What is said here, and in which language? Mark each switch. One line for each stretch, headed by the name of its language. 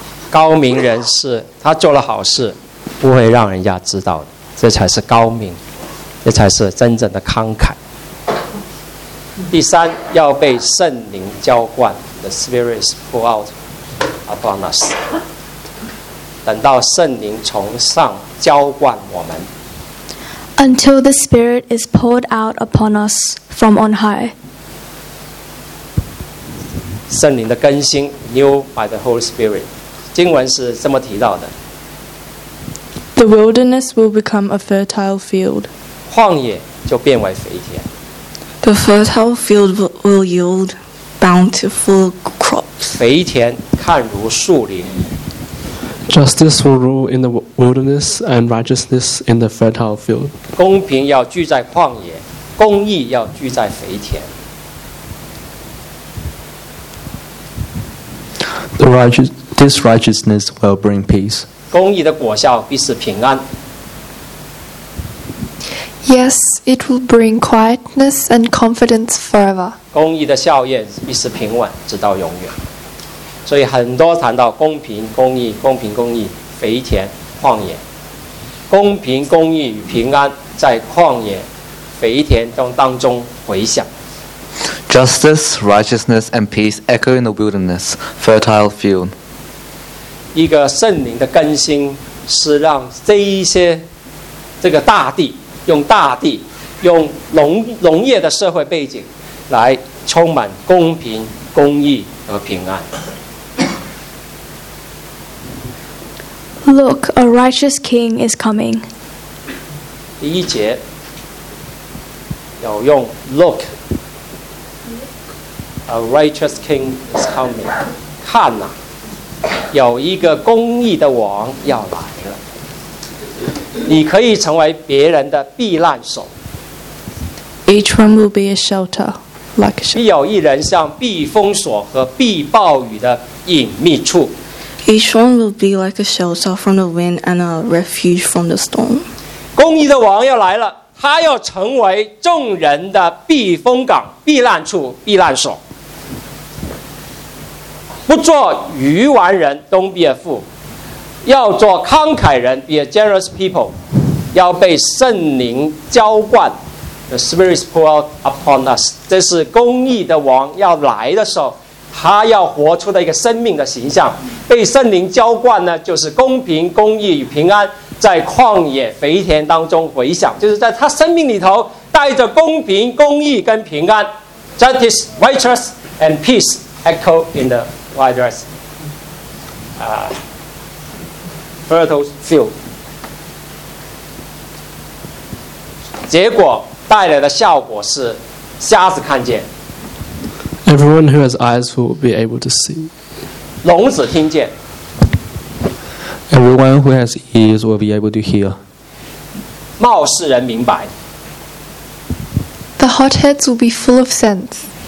Chinese: 高明人士，他做了好事，不会让人家知道的，这才是高明，这才是真正的慷慨。第三，要被圣灵浇灌 ，
English: The Spirit is pour out upon us。
Chinese: 等到圣灵从上浇灌我们。
English: Until the Spirit is poured out upon us from on high。
Chinese: 圣灵的更新 ，
English: new by the Holy Spirit。
Chinese: 经文是这么提到的
English: ：The wilderness will become a fertile field.
Chinese: 旷野就变为肥田。
English: The fertile field will yield bountiful crops.
Chinese: 肥田看如树林。
English: Justice will rule in the wilderness and righteousness in the fertile field.
Chinese: 公平要居在旷野，公义要居在肥田。
English: The righteous. This righteousness will bring peace.
Chinese: 公义的果效必是平安。
English: Yes, it will bring quietness and confidence forever.
Chinese: 公义的效验必是平稳，直到永远。所以很多谈到公平、公义、公平、公义，肥田、旷野，公平、公义与平安在旷野、肥田当中回响。
English: Justice, righteousness, and peace echo in the wilderness, fertile field.
Chinese: 一个圣灵的更新是让这一些这个大地用大地用农业的社会背景来充满公平公义和平安。
English: Look, a righteous king is coming.
Chinese: 第一节有用
English: Look, a righteous king is coming.
Chinese: 看啊，有一个公义的王要来了，你可以成为别人的避难所。
English: Each one will be a shelter, like a shelter.
Chinese: 必有一人像避风所和避暴雨的隐秘处。
English: Each one will be like a shelter from the wind and a refuge from the storm.
Chinese: 公义的王要来了，他要成为众人的避风港、避难处、避难所。不做愚顽人 ，
English: don't be a fool.
Chinese: 要做慷慨人 ，
English: be a generous people.
Chinese: 要被圣灵浇灌 ，
English: the Spirit is poured out upon us.
Chinese: 这是公义的王要来的时候，他要活出的一个生命的形象。被圣灵浇灌呢，就是公平、公义与平安在旷野肥田当中回响，就是在他生命里头带着公平、公义跟平安 ，
English: justice, righteous and peace echo in the wide earth. Fertile field.
Chinese: 结果带来的效果是瞎子看见。
English: Everyone who has eyes will be able to see.
Chinese: 聋子听见。
English: Everyone who has ears will be able to hear.
Chinese: 貌似人明白。
English: The hotheads will be full of sense.